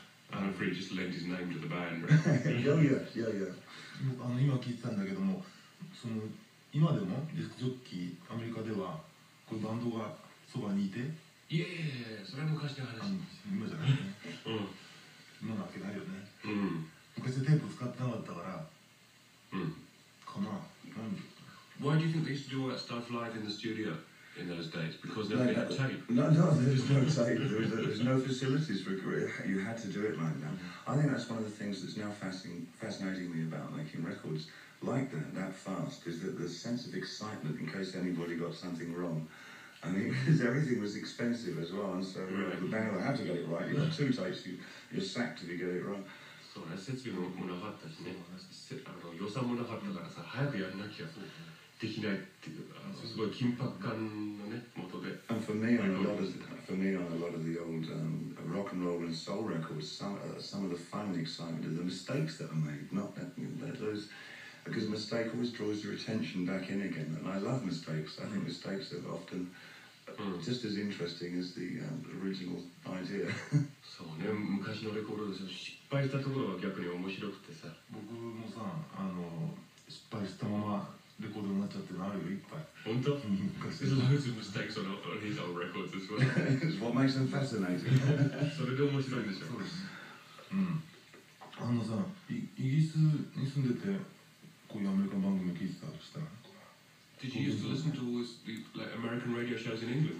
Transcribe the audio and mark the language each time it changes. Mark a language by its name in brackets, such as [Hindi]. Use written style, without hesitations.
[English] Alan Freed just lent his name to the band, right? yeah. [Japanese] 今聞いてたんだけども、その今でもディスクジョッキー、アメリカではこのバンドがそばにいて。いや、それ昔の話。今じゃない、ね。うん。今なわけないよね。うん。昔テープ使ってなかったから。うん。かな。 [English] Why do you think they used to do all that stuff live in the studio in those days? Because they had tape. No, there's no tape. There's no facilities for it. You had to do it like that. I think that's one of the things that's now fascinating me about making records like that, that fast, is that the sense of excitement in case anybody got something wrong. I mean, because everything was expensive as well, and so the band will have to get it right. You've got two tapes, you're sacked if you get it wrong. [Japanese] そうね、設備もなかったしね、予算もなかったからさ、早くやらなきゃできないっていう、すごい緊迫感のね、元で。 [English] And for me, on a lot of the old rock and roll and soul records, some of the fun and excitement are the mistakes that are made, not that, those, because mistake always draws your attention back in again, and I love mistakes. I think mistakes are often just as interesting as the original idea. [Japanese] そうね、昔のレコードですよ。失敗したところが逆に面白くてさ、僕もさ、失敗したままレコードになっちゃってのあるよ、いっぱい。本当？昔の。 [English] It's loads of mistakes on his old records as well. It's what makes them fascinating. [Japanese] それで面白いんでしょ。そうです。うん。さ、イギリスに住んでて、こういうアメリカ番組聞いてたとしたら。 [English] Did you used to listen to all these like American radio shows in England?